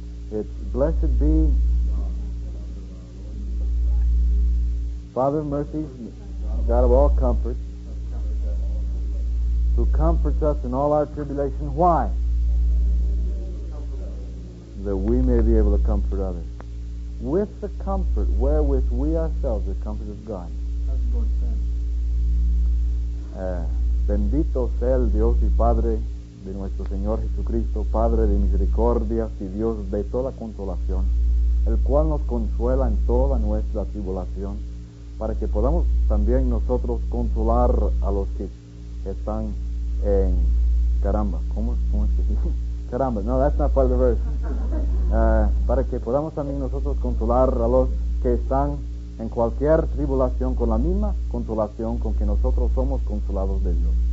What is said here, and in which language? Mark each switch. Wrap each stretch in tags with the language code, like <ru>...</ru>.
<en>It's, blessed be Father of mercies, God of all comfort, who comforts us in all our tribulation. Why? That we may be able to comfort others. With the comfort wherewith we ourselves are comforted of God.</en> <es>Bendito sea el Dios y Padre de nuestro Señor Jesucristo, Padre de misericordia y Dios de toda consolación, el cual nos consuela en toda nuestra tribulación, para que podamos también nosotros consolar a los que están en... Caramba, ¿cómo es que dice?</es> <en>Caramba, no, that's not part of the verse.</en> <es>Para que podamos también nosotros consolar a los que están en cualquier tribulación con la misma consolación con que nosotros somos consolados de Dios.</es>